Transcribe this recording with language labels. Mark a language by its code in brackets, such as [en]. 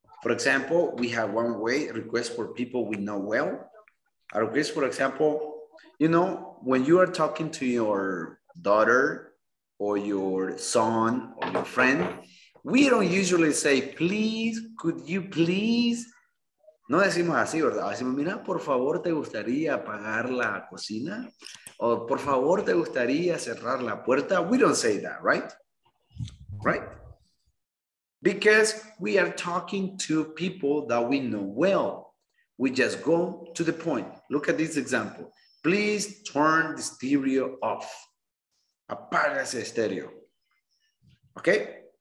[en] For example, we have one way, request for people we know well. A request, for example, you know, when you are talking to your daughter or your son or your friend, we don't usually say, please, could you please? [es] No decimos así, ¿verdad? Decimos, mira, por favor, ¿te gustaría apagar la cocina? O por favor, ¿te gustaría cerrar la puerta? [en] We don't say that, right? Right? Because we are talking to people that we know well. We just go to the point. Look at this example. Please turn the stereo off. [es] Apaga ese estéreo. Okay?